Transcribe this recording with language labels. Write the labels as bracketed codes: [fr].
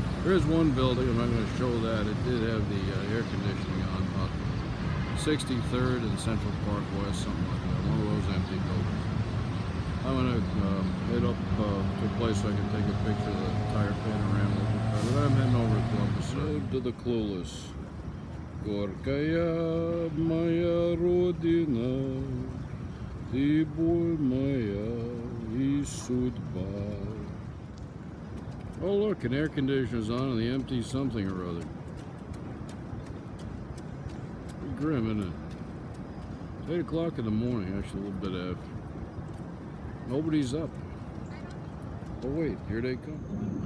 [en] There is one building, I'm not going to show that. It did have the air conditioning on, about 63rd and Central Park West, something like that. One of those empty buildings. I'm going to head up to a place so I can take a picture of the entire panorama. But I'm heading over to Columbus. To the clueless. [ru] Горькая моя родина, ты боль моя и судьба. [en] Oh look, an air conditioner's on and the empty something or other. Pretty grim, isn't it? It's 8 o'clock in the morning, actually a little bit after. Nobody's up. Oh wait, here they come.